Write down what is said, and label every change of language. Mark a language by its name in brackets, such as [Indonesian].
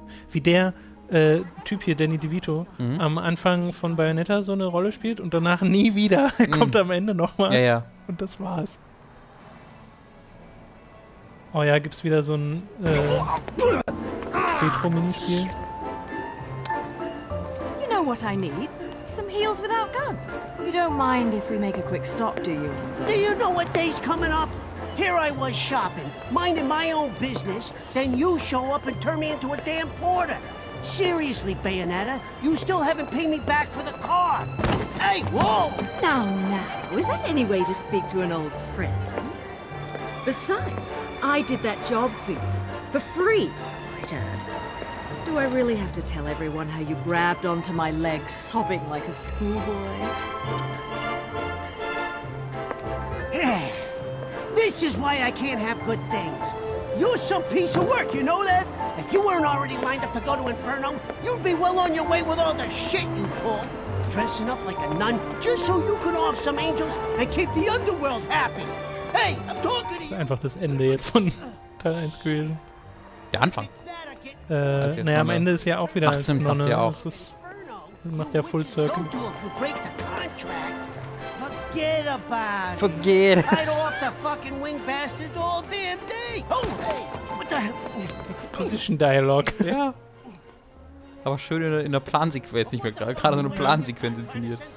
[German] Wie der Typ hier, Danny DeVito, am Anfang von Bayonetta so eine Rolle spielt und danach nie wieder. Kommt am Ende nochmal. Ja, ja. Und das war's. Oh ja, gibt's wieder so ein Retro-Minispiel. [English] You know what I need? Some heels without guns. You don't mind if we make a quick stop, do you? Do you know what day's coming up? Here I was shopping, minding my own business, then you show up and turn me into a damn porter. Seriously, Bayonetta, you still haven't paid me back for the car. Hey, whoa! Now, now, is that any way to speak to an old friend? Besides, I did that job for you. For free, might add. Do I really have to tell everyone how you grabbed onto my leg, sobbing like a schoolboy? This is why I can't have good things. You're some piece of work, you know that? If you weren't already lined up to go to Inferno, you'd be well on your way with all the shit you pull. Dressing up like a nun just so you could off some angels and keep the underworld happy. Hey, I'm talking to you. [German] Das ist einfach das Ende jetzt von Teil 1 gewesen. Der Anfang. Naja, am Ende ist ja auch wieder als Nonne. Das ist, macht ja [English] Full Circle. Don't do it, you break the contract. Forget about it. Forget it. Right off the fucking wing bastards all damn day. Oh, hey. What the hell? Exposition dialogue. [German] Ja. Aber schön in der Plansequenz, nicht mehr gerade so eine Plansequenz inszeniert.